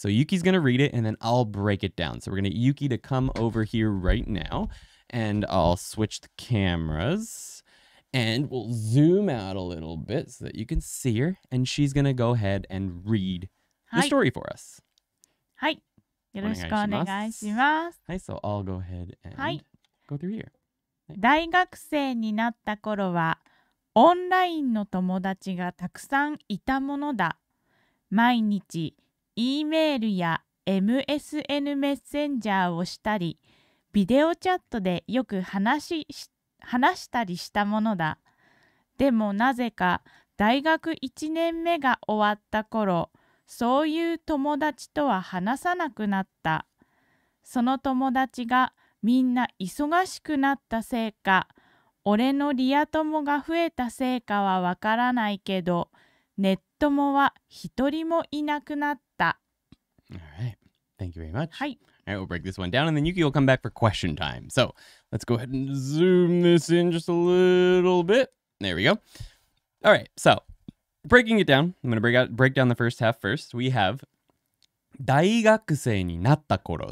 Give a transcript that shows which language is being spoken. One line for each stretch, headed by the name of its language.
English: So Yuki's going to read it, and then I'll break it down. So we're going to get Yuki to come over here right now, and I'll switch the cameras, and we'll zoom out a little bit so that you can see her, and she's going to go ahead and read the story for us.
Japanese: はい、よろしくお願いします。
English: はい、so I'll go ahead and、はい、go through here.
Japanese: 大学生になった頃は、オンラインの友達がたくさんいたものだ。毎日、E メールや MSN メッセンジャーをしたり、ビデオチャットでよく話したりしたものだ。でもなぜか大学1年目が終わった頃、そういう友達とは話さなくなった。その友達がみんな忙しくなったせいか、俺のリア友が増えたせいかはわからないけど、ネットもは一人もいなくなった。
English: All right. Thank you very much.
Japanese: はい。
English: All right, we'll break this one down, and then Yuki will come back for question time. So, let's go ahead and zoom this in just a little bit. There we go. All right, so, breaking it down, I'm going to break down the first half first. We have
Japanese: 大学生になった頃.